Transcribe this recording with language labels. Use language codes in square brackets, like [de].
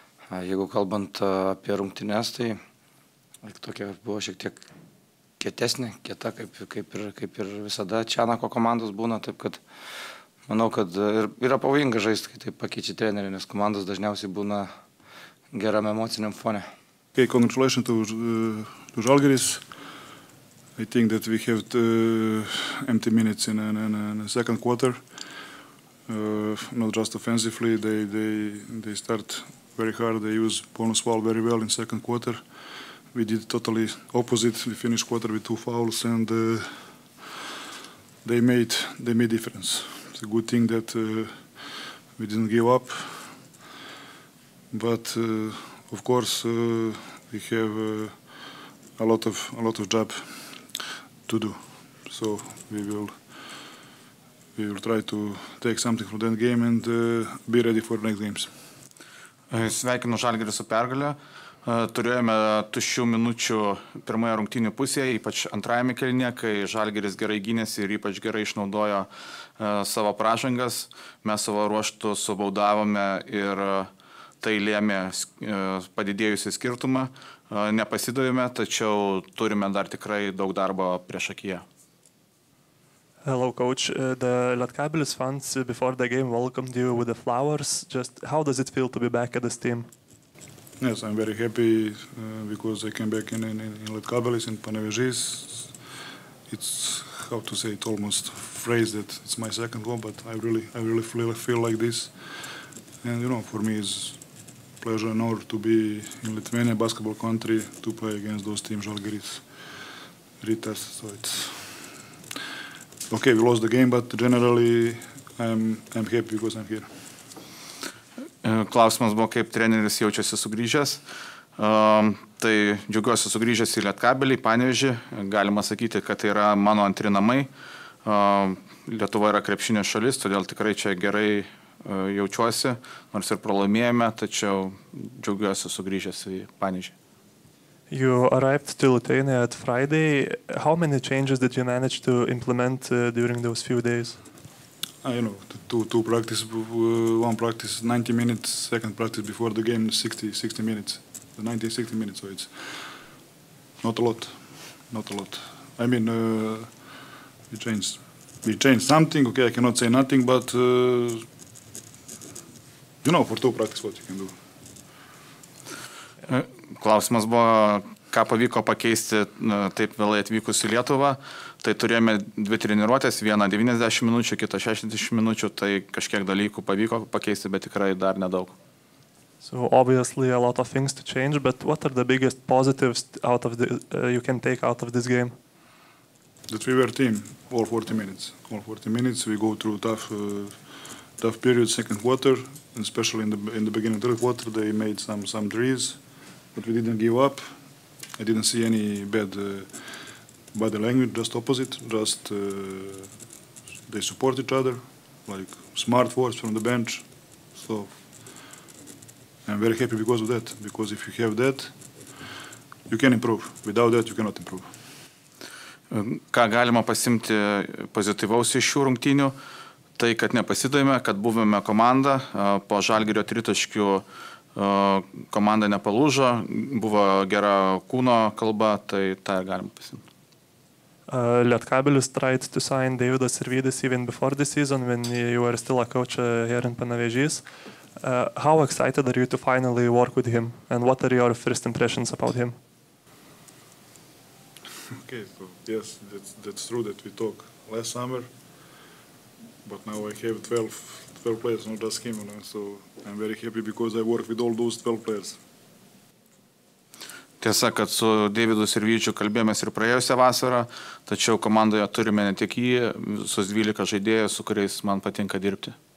[lt] Jeigu kalbant apie rungtynes, tai tokia buvo šiek tiek kietesnė, kieta, kaip ir visada Čianako komandos būna, taip kad manau, kad ir yra pavojinga žaisti, kai taip pakeičia trenerį, nes komandos dažniausiai būna geram emociniam fone. [en] Okay, congratulations to Žalgiris. I think that we have empty minutes in the second quarter. Not just offensively, they start very hard, they use bonus ball very well in second quarter. We did totally opposite. We finished quarter with two fouls, and they made difference. It's a good thing that we didn't give up. But of course, we have a lot of job to do. So we will try to take something from that game and be ready for next games. [lt] Sveikinu Žalgirį su pergale. Turėjome tuščių minučių pirmoje rungtynių pusėje, ypač antrajame kelinėje, kai Žalgiris gerai gynėsi ir ypač gerai išnaudojo savo pražangas. Mes savo ruoštų subaudavome ir tai lėmė padidėjusį skirtumą. Nepasidavėme, tačiau turime dar tikrai daug darbo prieš akiją. [en] Hello, coach. The Lietkabelis fans before the game welcomed you with the flowers. Just how does it feel to be back at this team? Yes, I'm very happy because I came back in Lietkabelis in Panevėžys. It's, how to say it, almost phrase that it's my second home, but I really feel like this. And you know, for me it's pleasure and honor to be in Lithuania, basketball country, to play against those teams, Žalgiris, Rytas, so it's okay, we lost the game, but generally I'm happy because I'm here. [lt] Klausimas buvo, kaip treneris jaučiasi sugrįžęs. Tai džiugiuosi sugrįžęs į Lietkabelį, į Panevėžį. Galima sakyti, kad tai yra mano antri namai. Lietuva yra krepšinio šalis, todėl tikrai čia gerai jaučiuosi, nors ir pralaimėjome, tačiau džiugiuosi sugrįžęs į Panevėžį. [en] You arrived to Lithuania at Friday. How many changes did you manage to implement during those few days? I know, two practice, one practice 90 minutes, second practice before the game 60 minutes, 60 minutes, so it's not a lot. I mean, we changed we changed something. Okay, I cannot say nothing, but you know, for two practice what you can do. [lt] Klausimas buvo, ką pavyko pakeisti taip vėlai atvykus į Lietuvą. Tai turėjome dvi treniruotės, vieną 90 minučių, kitą 60 minučių, tai kažkiek dalykų pavyko pakeisti, bet tikrai dar nedaug. [en] So obviously a lot of things to change, but what are the biggest positives out of the you can take out of this game? That we were team all 40 minutes. All 40 minutes we go through tough period second quarter, especially in the beginning third quarter they made some threes, but we didn't give up. I didn't see any bad body language, just opposite, just they support each other, like smart words from the bench. So I'm very happy because of that, because if you have that, you can improve. Without that, you cannot improve. [lt] Ką galima pasimti pozityvaus iš šių rungtynių, tai kad nepasidavėme, kad buvome komanda, po Žalgirio tritaškių komanda nepalūžo, buvo gera kūno kalba, tai tą galima pasimti. [en] Lietkabelis tried to sign Davidas Sirvydis even before the season, when you were still a coach here in Panevėžys. How excited are you to finally work with him, and what are your first impressions about him? Okay, so yes, that's true that we talk last summer, but now I have 12 players, not just him, so I'm very happy because I work with all those 12 players. [lt] Tiesa, kad su Deividu Sirvydžiu kalbėjomės ir praėjusią vasarą, tačiau komandoje turime ne tik jį, visus 12 žaidėjus, su kuriais man patinka dirbti.